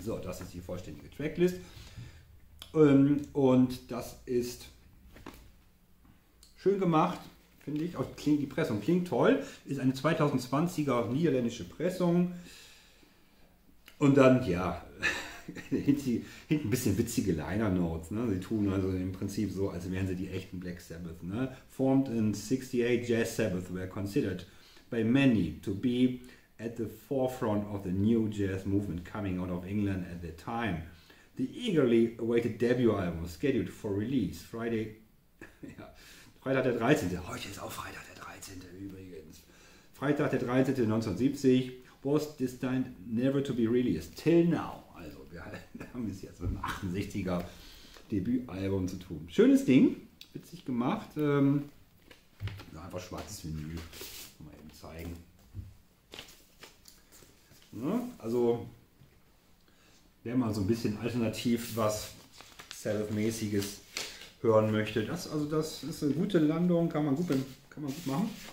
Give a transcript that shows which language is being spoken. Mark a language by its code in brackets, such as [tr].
[de] So, das ist die vollständige Tracklist. Und das ist schön gemacht, finde ich. Auch klingt, die Pressung klingt toll. Ist eine 2020er niederländische Pressung. Und dann, ja, hinten ein bisschen witzige Liner Notes. Ne? Sie tun also im Prinzip so, als wären sie die echten Black Sabbath. Ne? [en] Formed in 68, Jazz Sabbath were considered by many to be at the forefront of the new jazz movement coming out of England at the time. The eagerly awaited debut album scheduled for release Friday. [de] Ja, Freitag der 13. Heute ist auch Freitag der 13. übrigens. Freitag der 13. [en] 1970 was destined never to be released till now. [de] Also wir haben es jetzt mit einem 68er Debütalbum zu tun. Schönes Ding, witzig gemacht. Einfach schwarzes Vinyl. Mal eben zeigen. Ne? Also wer mal so ein bisschen alternativ was Self-mäßiges hören möchte, das ist eine gute Landung, kann man gut machen.